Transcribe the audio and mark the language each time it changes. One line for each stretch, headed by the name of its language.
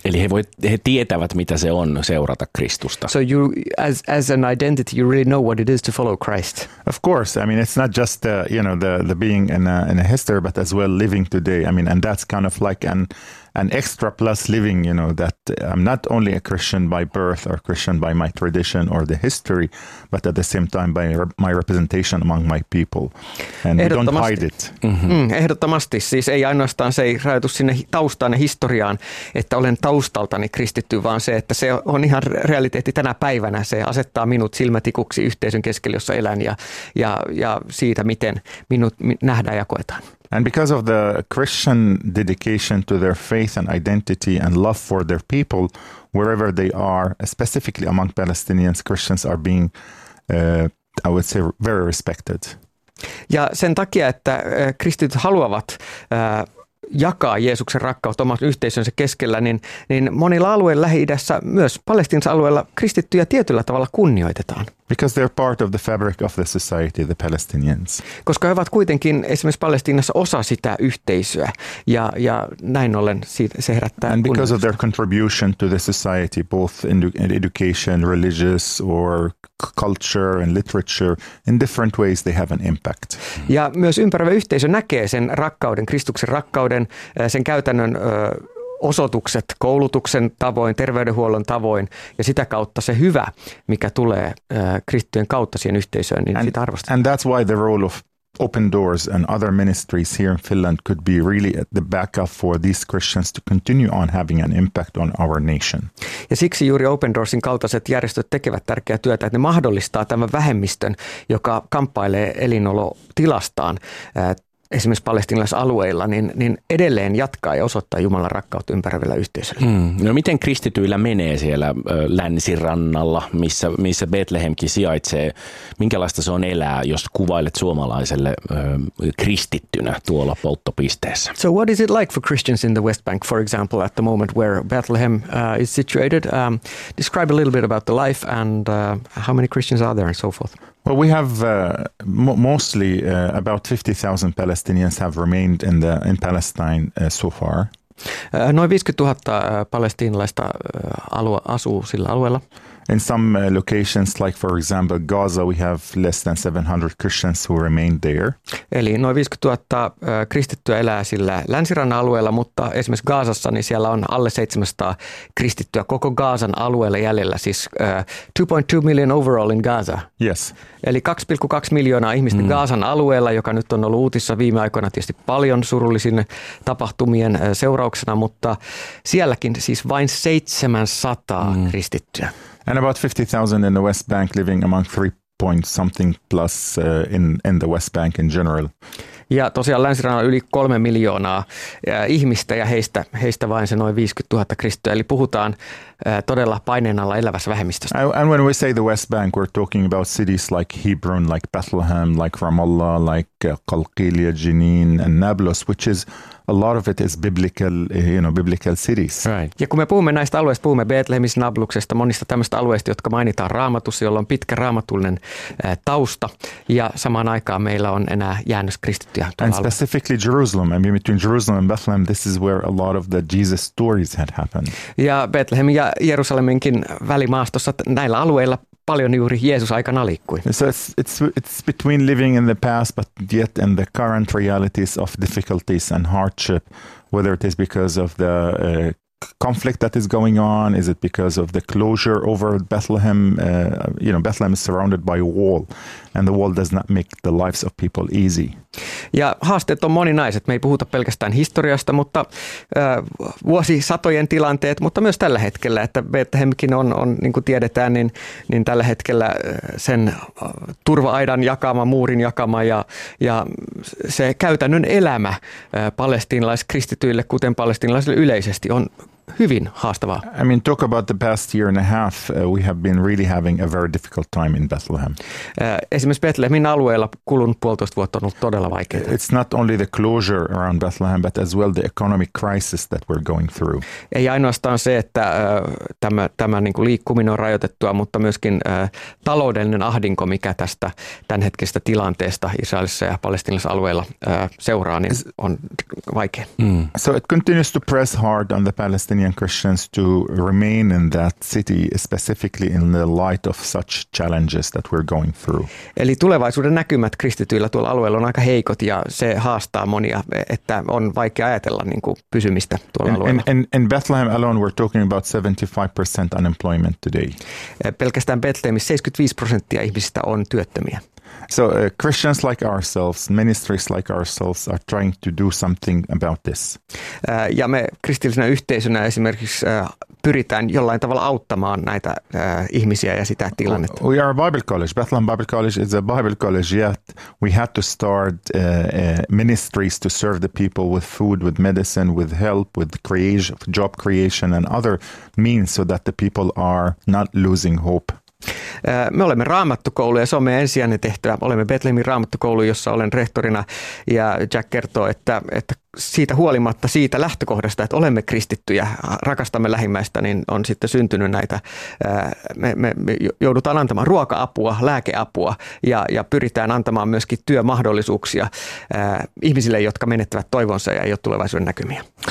Finnish: Eli he tietävät, mitä se on seurata Kristusta.
English: So you, as an identity, you really know what it is to follow Christ. Of course. I mean, it's not just, you know, the being in a history, but as well living today. I mean, and that's kind of like an extra plus living, you know, that I'm not only a Christian by birth or Christian by my tradition or the history, but at the same time by my representation among my people. And we don't hide it.
Finnish: Mm-hmm. Ehdottomasti. Siis ei ainoastaan se ei rajoitu sinne taustaan ja historiaan, että olen taustaltani kristitty, vaan se, että se on ihan realiteetti tänä päivänä. Se asettaa minut silmätikuksi yhteisön keskellä, jossa elän ja siitä, miten minut nähdään ja koetaan.
English: And because of the Christian dedication to their faith and identity and love for their people, wherever they are, specifically among Palestinians, Christians are being, I would say, very respected.
Finnish: Ja sen takia, että kristityt haluavat jakaa Jeesuksen rakkautta oman yhteisönsä keskellä, niin monilla alueilla Lähi-idässä, myös Palestiinan alueella, kristittyjä tietyllä tavalla kunnioitetaan.
English: Because they're part of the fabric of the society, the Palestinians.
Finnish: Koska he ovat kuitenkin esimerkiksi Palestiinassa osa sitä yhteisöä, ja näin ollen se herättää kunnioitusta.
English: And because of their contribution to the society, both in education, religious, or culture and literature, in different ways they have an impact.
Finnish: Ja myös ympäröivä yhteisö näkee sen rakkauden, Kristuksen rakkauden, sen käytännön osoitukset koulutuksen tavoin, terveydenhuollon tavoin, ja sitä kautta se hyvä, mikä tulee kristittyjen kautta siihen yhteisöön, niin sitä arvostetaan.
English: And that's why the role of Open Doors and other ministries here in Finland could be really the backup for these Christians to continue on having an impact on our nation.
Finnish: Ja siksi juuri Open Doorsin kaltaiset järjestöt tekevät tärkeää työtä, että ne mahdollistaa tämän vähemmistön, joka kamppailee elinolotilastaan esimerkiksi palestinalaisalueilla, niin edelleen jatkaa ja osoittaa Jumalan rakkautta ympäröivällä yhteisöllä. Mm. No miten kristityillä menee siellä länsirannalla, missä Betlehemkin sijaitsee? Minkälaista se on elää, jos kuvailet suomalaiselle kristittynä tuolla polttopisteessä?
English: So what is it like for Christians in the West Bank, for example, at the moment where Bethlehem is situated? Describe a little bit about the life and how many Christians are there and so forth. Well, we have mostly about 50,000 Palestinians have remained in Palestine so far.
Finnish: Noin 50,000 palestiinalaista asuu sillä alueella.
English: In some locations, like for example Gaza, we have less than 700 Christians who remain there.
Finnish: Eli noin 50,000 kristittyä elää sillä länsirannan alueella, mutta esimerkiksi Gazassa, niin siellä on alle 700 kristittyä koko Gazan alueella jäljellä, siis
English: 2.2 million overall in Gaza. Yes.
Finnish: Eli 2,2 miljoonaa ihmistä Gazan alueella, joka nyt on ollut uutissa viime aikoina tietysti paljon surullisin tapahtumien seurauksena, mutta sielläkin siis vain 700 kristittyä.
English: And about 50,000 in the West Bank living among 3-point-something plus in the West Bank in general.
Finnish: Ja tosiaan länsirannalla yli 3 miljoonaa ihmistä ja heistä vain se noin 50,000 kristittyä. Eli puhutaan todella paineen alla elävässä vähemmistöstä.
English: And when we say the West Bank, we're talking about cities like Hebron, like Bethlehem, like Ramallah, like Qalqilia, Jenin and Nablus, which is a lot of it is biblical, you know, biblical cities. Right.
Finnish: Ja kun me puhumme näistä alueista, puhumme Betlehemistä, Nabluksesta, monista tämmöistä alueista, jotka mainitaan Raamatussa, jolla on pitkä raamatullinen tausta. Ja samaan aikaan meillä on enää jäännös kristittyä.
English: And specifically Jerusalem. I mean, between Jerusalem and Bethlehem, this is where a lot of the Jesus stories had happened.
Finnish: Ja Betlehemin ja Jerusaleminkin välimaastossa näillä alueilla paljon juuri Jeesus aikana liikkui.
English: So it's between living in the past but yet in the current realities of difficulties and hardship, whether it is because of the conflict that is going on, is it because of the closure over Bethlehem, you know, Bethlehem is surrounded by a wall and the wall does not make the lives of people easy.
Finnish: Ja haasteet on moninaiset. Me ei puhuta pelkästään historiasta, mutta vuosisatojen tilanteet, mutta myös tällä hetkellä, että Bethlehemkin on niin kuin tiedetään, niin tällä hetkellä sen turva-aidan jakama, muurin jakama ja se käytännön elämä palestiinalaiskristityille, kuten palestiinalaisille yleisesti, on hyvin haastavaa.
English: I mean, talk about the past year and a half, we have been really having a very difficult time in Bethlehem.
Finnish: Esimerkiksi Bethlehemin alueella kulunut puolitoista vuotta on ollut todella vaikeaa.
English: It's not only the closure around Bethlehem, but as well the economic crisis that we're going through.
Finnish: Ei ainoastaan se, että tämä niin kuin liikkuminen on rajoitettua, mutta myöskin taloudellinen ahdinko, mikä tästä tämänhetkisestä tilanteesta Israelissa ja palestinalaisilla alueilla seuraa, niin on vaikea.
English: So it continues to press hard on the Palestinian Christians to remain in that city, specifically in the light of such challenges that we're going through.
Finnish: Eli tulevaisuuden näkymät kristityillä tuolla alueella on aika heikot ja se haastaa monia, että on vaikea ajatella niin kuin pysymistä tuolla alueella.
English: In Bethlehem alone we're talking about 75% unemployment today.
Finnish: Pelkästään Bethlehemissä 75% ihmisistä on työttömiä.
English: So Christians like ourselves, ministries like ourselves are trying to do something about this.
Finnish: Ja me kristillisenä yhteisönä esimerkiksi pyritään jollain tavalla auttamaan näitä ihmisiä ja sitä tilannetta.
English: We are a Bible college. Bethlehem Bible College is a Bible college, yet we had to start ministries to serve the people with food, with medicine, with help, with job creation and other means so that the people are not losing hope.
Finnish: Me olemme raamattukoulu ja se on meidän ensisijainen tehtävä. Olemme Betlehemin raamattukoulu, jossa olen rehtorina ja Jack kertoo, että siitä huolimatta siitä lähtökohdasta, että olemme kristittyjä, rakastamme lähimmäistä, niin on sitten syntynyt näitä. Me joudutaan antamaan ruoka-apua, lääkeapua ja pyritään antamaan myöskin työmahdollisuuksia ihmisille, jotka menettävät toivonsa ja ei ole tulevaisuuden näkymiä.